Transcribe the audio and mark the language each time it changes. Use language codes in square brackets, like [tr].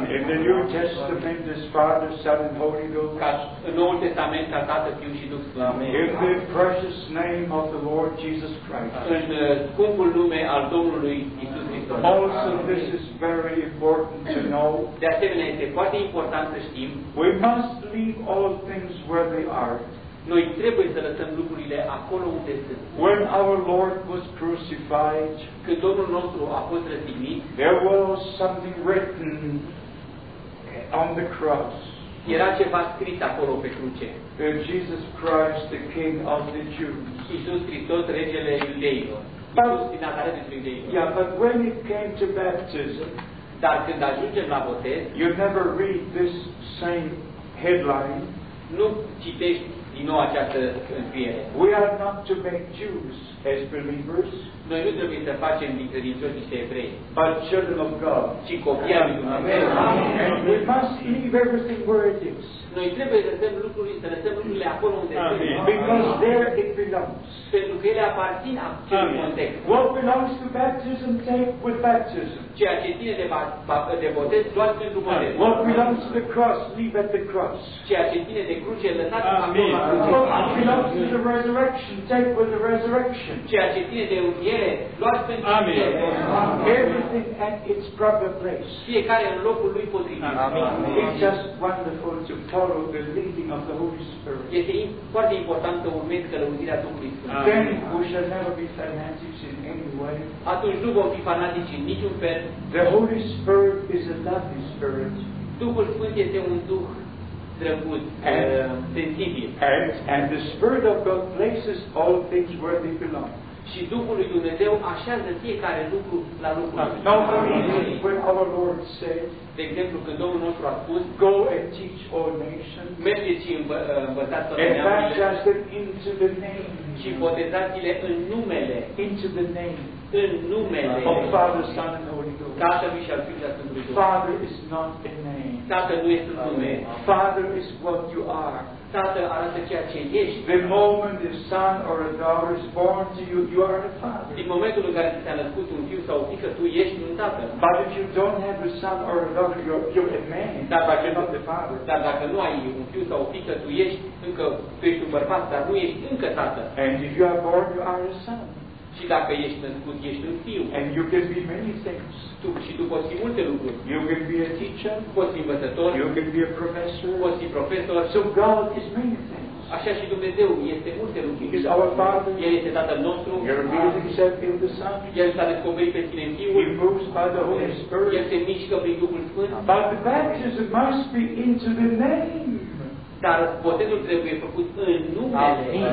[en] In the New Testament, as Father, Son, and Holy Ghost. [ro] În Noul Testament, ca Tată, Fiul și Duh Sfânt. [en] In the precious name of the Lord Jesus Christ. [ro] În scumpul nume al Domnului Iisus Hristos. [en] Also, this is very important to know. [ro] De asemenea, este foarte important să știm. [en] We must leave all things where they are. [ro] Noi trebuie să lăsăm lucrurile acolo unde sunt. [en] When our Lord was crucified, [ro] când Domnul nostru a fost răstignit, [en] there was something written on the cross. [ro] Era ceva scris acolo pe cruce. [en] Jesus Christ, the King of the Jews. [ro] Iisus Hristos, regele iudeilor. Iisus din Nazaret, regele iudeilor. [en] Yeah, but when it came to baptism, [ro] dar când ajungem la botez, [en] you never read this same headline. [ro] Nu citești din nou această înfiere. [en] We are not to make Jews as believers. [ro] Noi nu trebuie să facem din credincioși niște evrei. [en] But children of God. [ro] Ci copii al lui Dumnezeu. [en] We must leave everything where it is. [ro] Noi trebuie să lăsăm lucrurile, să lăsăm lucrurile acolo unde trebuie. [en] Because there it belongs. [ro] Pentru că ele aparțin acelui context. [en] What belongs to baptism, take with baptism. [ro] Ceea ce ține de botez, doar pentru botez. [en] What belongs to the cross, leave at the cross. [ro] Ceea ce ține de cruce, lăsați acolo la cruce. [en] What belongs to the resurrection, take with the resurrection. [ro] Ceea ce ține de înviere, luați pentru înviere. [en] Everything at its proper place. [ro] Fiecare în locul lui potrivit. [en] It's just wonderful to follow the leading of the Holy Spirit. [ro] Este foarte important să urmezi călăuzirea Duhului Sfânt. [en] Then we shall never be fanatics in any way. [ro] Atunci nu vom fi fanatici în niciun fel. [en] The Holy Spirit is a loving spirit. [ro] Duhul Sfânt este un Duh drăguț, sensibil. [en] And the Spirit of God places all things where they belong. [ro] Și Duhul lui Dumnezeu așează fiecare lucru la locul lui. [en] Now, for instance, when our Lord said, [ro] de exemplu, când Domnul nostru a spus, [en] go and teach all nations. [ro] Mergeți și învățați toate neamurile. Și botezați-le în numele. [en] Into the name. [ro] În numele. [en] Of Father, Son, and Holy Ghost. [ro] Tatălui și al Fiului Sfântului Duh. [en] Father is not a name. [ro] Tatăl nu este un nume. [en] Father is what you are. [ro] Tată arată ceea ce ești. [en] The moment the son or a daughter is born to you, you are a father. [ro] Din momentul în care ți s-a născut un fiu sau o fiică, tu ești un tată. [en] But if you don't have a son or a daughter, you're a man. [ro] Dar dacă nu ai un fiu sau o fiică, tu ești un bărbat, dar nu ești încă tată. [en] And if you are born, you are a son. [ro] Și dacă ești născut, ești un fiu. [en] And you can be many things. [ro] Tu poți fi multe lucruri. [en] You can be a teacher. [ro] Poți fi învățător. [en] You can be a professor. [ro] Poți fi profesor. [en] So God is many things. [ro] Așa și Dumnezeu este multe lucruri. [en] He is our Father. [ro] El este Tatăl nostru. [en] He reveals himself in the Son. [ro] El s-a descoperit pe sine în Fiul. [en] He moves by the Holy Spirit. [ro] El se mișcă prin Duhul Sfânt. [en] But the baptism must be into the name. [ro] Dar botezul trebuie făcut în numele.